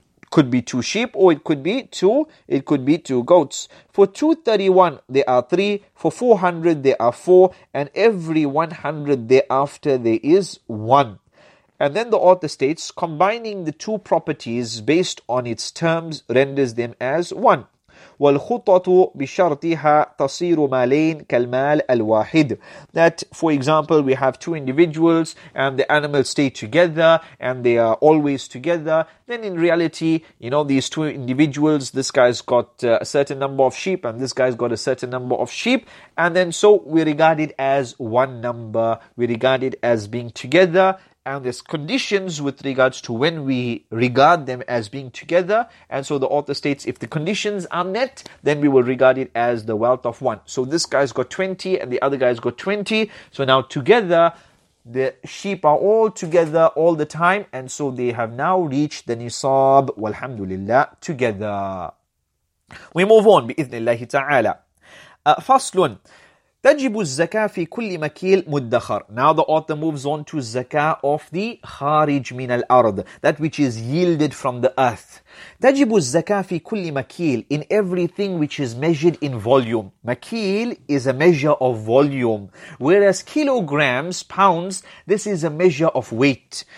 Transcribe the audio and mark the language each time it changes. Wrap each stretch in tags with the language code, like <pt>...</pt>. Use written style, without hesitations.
<en>Could be 2 sheep or it could be 2 goats. For 231, there are 3. For 400, there are 4. And every 100 thereafter, there is 1. And then the author states, combining the 2 properties based on its terms renders them as 1.</en> <ar>والخطط بشرطها تصير مالين كالمال الواحد.</ar> <en>That, for example, we have 2 individuals and the animals stay together and they are always together. Then in reality, you know, these 2 individuals, this guy's got a certain number of sheep and this guy's got a certain number of sheep. And then so we regard it as one number. We regard it as being together. And there's conditions with regards to when we regard them as being together. And so the author states, if the conditions are met, then we will regard it as the wealth of one. So this guy's got 20 and the other guy's got 20. So now together, the sheep are all together all the time. And so they have now reached the nisab, walhamdulillah, together. We move on, bi-ithnillahi ta'ala. Faslun.</en> <ar>تجب الزكاة في كل مكيل مدخر.</ar> <en>Now the author moves on to الزكاة of the</en> <ar>خارج من الأرض,</ar> <en>that which is yielded from the earth.</en> <ar>تجب الزكاة في كل مكيل,</ar> <en>in everything which is measured in volume. مكيل is a measure of volume, whereas kilograms, pounds, this is a measure of weight.</en>